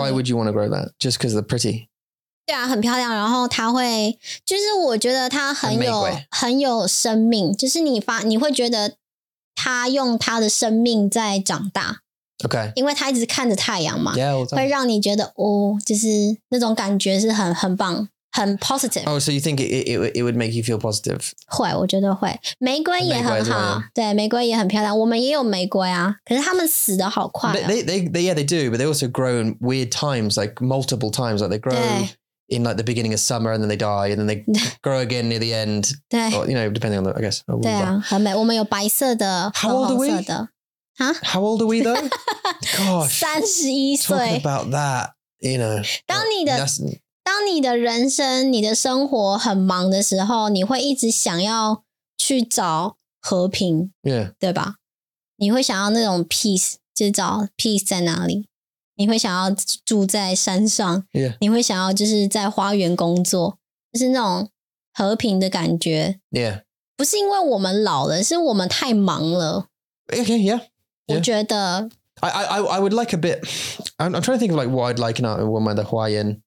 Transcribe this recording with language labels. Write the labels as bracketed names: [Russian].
[English] Why would you want to grow that? Just because they're pretty? [Chinese] 对啊，很漂亮。然后它会，就是我觉得它很有生命，就是你会觉得它用它的生命在长大。 [English] OK， [Chinese] 因为它一直看着太阳嘛， [English] yeah, [Chinese] 会让你觉得哦，就是那种感觉是很棒，很 positive。 [English] Oh, so you think it would make you feel positive？ [Chinese] 会，我觉得会。玫瑰也很好， [English] well. [Chinese] 对，玫瑰也很漂亮。我们也有玫瑰啊，可是它们死得好快、哦。 [English] They yeah they do, but they also grow in weird times, like multiple times, like they grow. In like the beginning of summer and then they die and then they grow again near the end. Or, you know, depending on the, I guess. [Chinese] 对啊，很美。我们有白色的， [English] How old are we? Huh? How old are we though? Gosh. [Chinese] 31岁。 [English] Talking about that, you know. [Chinese] 当你的人生，你的生活很忙的时候，你会一直想要去找和平。 [English] Yeah. [Chinese] 对吧？你会想要那种 peace, 就是找 peace 在哪里。你会想要住在山上、 [English] yeah. [Chinese] 你会想要就是在花园工作，就是那种和平的感觉。 [English] Yeah. [Chinese] 不是因为我们老了，是我们太忙了。 [English] Okay, yeah. [Chinese] 我觉得。 [English] I would like a bit, I'm trying to think of like what I'd like in our woman, the Hawaiian,、